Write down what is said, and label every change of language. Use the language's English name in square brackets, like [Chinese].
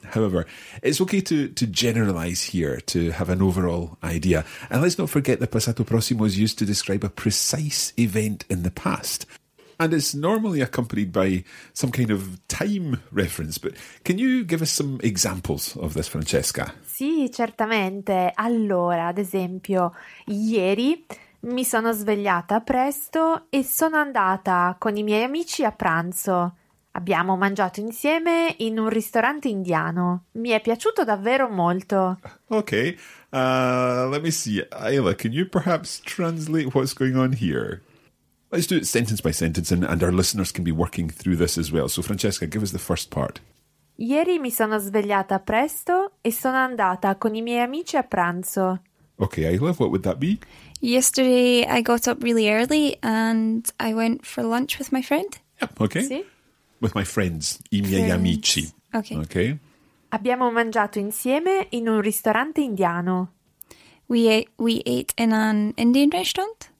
[English] However, it's okay to generalize here, to have an overall idea. And let's not forget that passato prossimo is used to describe a precise event in the past. And it's normally accompanied by some kind of time reference. But can you give us some examples of this, Francesca? [Italian] Sì, certamente. Allora, ad esempio, ieri mi sono svegliata presto e sono andata con i miei amici a pranzo. Abbiamo mangiato insieme in un ristorante indiano. Mi è piaciuto davvero molto. [English] Okay, let me see. Isla, can you perhaps translate what's going on here? Let's do it sentence by sentence and our listeners can be working through this as well. So Francesca, give us the first part. [Italian] Ieri mi sono svegliata presto e sono andata con i miei amici a pranzo. [English] Okay, Isla, what would that be? Yesterday I got up really early and I went for lunch with my friend. Yeah, okay. [Italian] Sì. [English] With my friends, [Italian] i miei [English] friends. [Italian] Amici. [English] Okay. Okay. [Italian] Abbiamo mangiato insieme in un ristorante indiano. [English] We ate in an Indian restaurant.